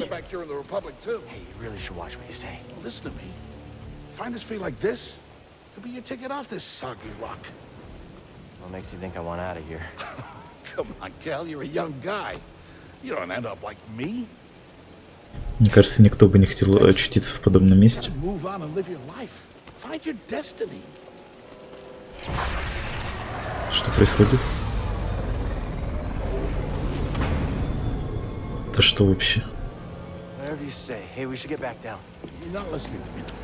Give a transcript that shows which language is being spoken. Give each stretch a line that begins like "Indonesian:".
English: Hey, you really should watch what you say. Listen to me. Find us free like this, could be your ticket off this soggy rock. What makes you think I want out of here? Come on, Cal, you're a young guy. You don't end up like me.
Russian: Мне кажется, никто бы не хотел очутиться в подобном месте.
English: Move on and live your life. Find your destiny.
Russian: Что происходит? Это что вообще?
English: Whatever you say. Hey, we should get back down. You're not listening to me.